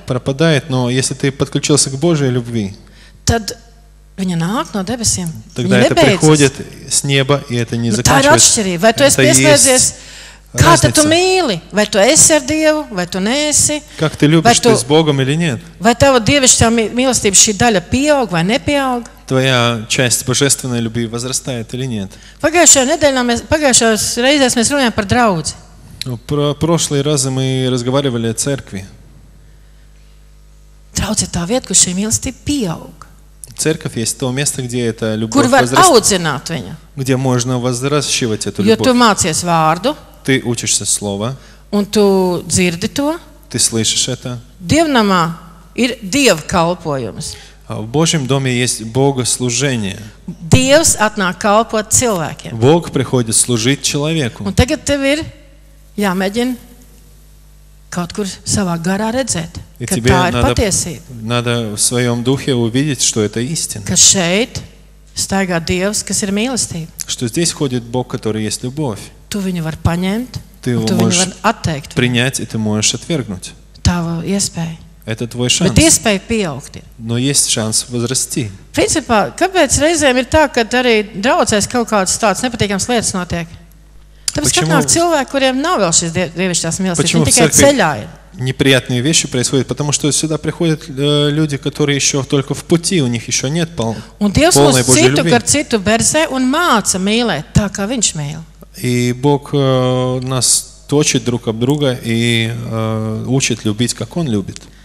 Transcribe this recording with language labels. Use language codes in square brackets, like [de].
[ru] Пропадает, но если ты подключился к Божьей любви... [lv] Тад... Viņa nāk no debesiem. Tagad [ru] это приходит с неба, и это не заканчивается. [lv] Vai tu esi pieslēdzies? Kā tad tu mīli? Vai tu esi ar Dievu, vai tu neesi? [ru] Как ты любишь, ты с Богом или нет? [lv] Vai tava dievišķā mīlestība šī daļa pieaug vai nepieaug? [ru] Твоя часть божественной любви возрастает или нет? [lv] Pagājušās reizēs mēs runājām par draudzi. [ru] Прошлые разы мы разговаривали о церкви. [lv] Draudze ir tā vieta, kur šī mīlestība pieaug. [ru] Церковь есть то место, где эта любовь возрастает. Где можно возращивать эту любовь. [lv] Jo tu mācies vārdu, [ru] ты учишься слово. [lv] Un tu dzirdi to, [ru] ты слышишь это. [lv] Dievnamā ir dievkalpojums. [ru] В Божьем доме есть богослужение. [lv] Dievs atnāk kalpot cilvēkiem. [ru] Бог приходит служить человеку. [lv] Un tagad tev ir jāmēģina kaut kur savā garā redzēt. [ru] И [lv] ka [ru] тебе надо в своем духе увидеть, что это истина. [lv] Ka šeit staigā Dievs, kas ir mīlestība. [ru] Что здесь ходит Бог, который есть любовь. [lv] Tu viņu var paņemt, [ru] ты [lv] un tu [ru] можешь [lv] viņu var atteikt. [ru] Принять, и ты можешь отвергнуть. [lv] Tava iespēja. [ru] Это твой шанс. [lv] Bet iespēja pieaugt ir. [ru] Но есть шанс возрасти. [lv] Principā, kāpēc reizēm ir tā, ka arī draudzēs kaut kāds tāds nepatīkams lietas notiek? Tāpēc, ka nāk cilvēki, kuriem nav vēl šīs dievišķās mīlestības, viņi tikai ceļā ir. [ru] Неприятные вещи происходят, потому что сюда приходят люди, которые еще только в пути, у них еще нет полной Божьей любви. И Бог нас точит друг об друга и учит любить, как Он любит.